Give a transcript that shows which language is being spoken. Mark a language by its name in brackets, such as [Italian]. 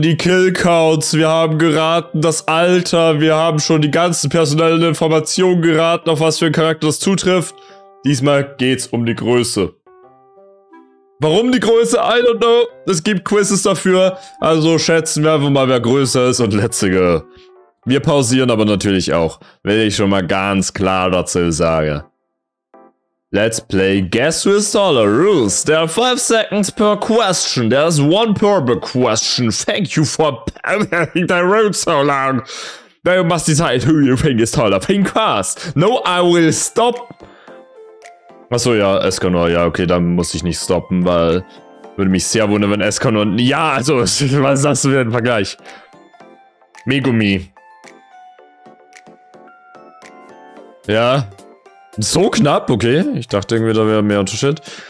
[German] Die Killcounts, wir haben geraten das Alter, wir haben schon die ganzen personellen Informationen geraten, auf was für ein Charakter das zutrifft. Diesmal geht's um die Größe. Warum die Größe? [English] I don't know. [German] Es gibt Quizzes dafür. Also schätzen wir einfach mal, wer größer ist und letztige. Wir pausieren aber natürlich auch, will ich schon mal ganz klar dazu sagen. [English] Let's play Guess Who Is Taller Rules. There are 5 seconds per question. There's one per question. Thank you for having the road so long. Then you must decide who you think is taller. Think fast. No, I will stop. [German] Achso, ja, [English] Escanor. [German] Ja, okay, dann muss ich nicht stoppen, weil würde mich sehr wundern, wenn Escanor... Ja, also, was sagst du für den Vergleich? Megumi. Ja. So knapp, okay. Ich dachte irgendwie, da wäre mehr Unterschied.